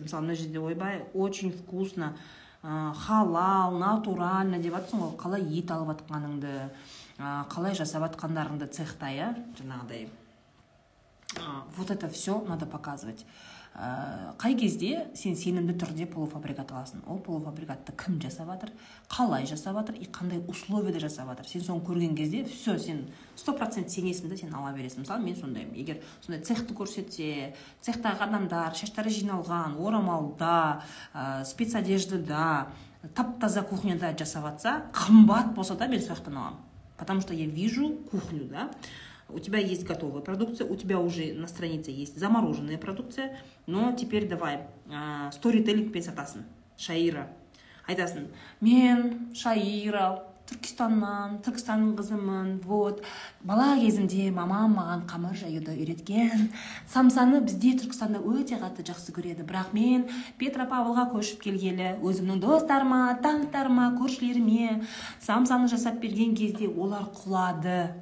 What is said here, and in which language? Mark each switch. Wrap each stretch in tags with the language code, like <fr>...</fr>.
<kk>Мысалы, мына жерде ойбай,</kk> <ru>очень вкусно, халал, натурально</ru> <kk>деп атсың ғой, қалай ет алып атқаныңды, қалай жасап атқандарыңды цехта, я, жаңағыдай.</kk> <ru>Вот это все надо показывать.</ru> <kk>Қай кезде сен сенімді түрде полуфабрикат аласың? Ол полуфабрикатты кім жасап атыр, қалай жасап атыр и қандай условияда жасап атыр? Сен соны көрген кезде все, сен 100% сенесің де, сен ала бересің. Мысалы, мен сондаймын. Егер сондай цехты көрсетсе, цехтағы адамдар, шаштары жиналған, орамалда, спецодеждада, тап-таза кухняда жасап атса, қымбат болса да мен сұрақтан аламын.</kk> <ru>Потому что я вижу кухню, да? У тебя есть готовая продукция, у тебя уже на странице есть замороженная продукция, но теперь давай,</ru> <kk>сторителлинг пен сатасын,</kk> <ru>Шаира.</ru> <kk>Айтасын, мен Шаира, Түркістаннан, Түркістанның қызымын, вот, бала кезімде мамам маған қамыр жаюды үйреткен, самсаны бізде Түркістанда өте қатты жақсы көреді, бірақ мен Петропавлға көшіп келгелі, өзімнің достарыма, таңдарыма, көршілеріме самсаны жасап берген кезде олар құлады.</kk>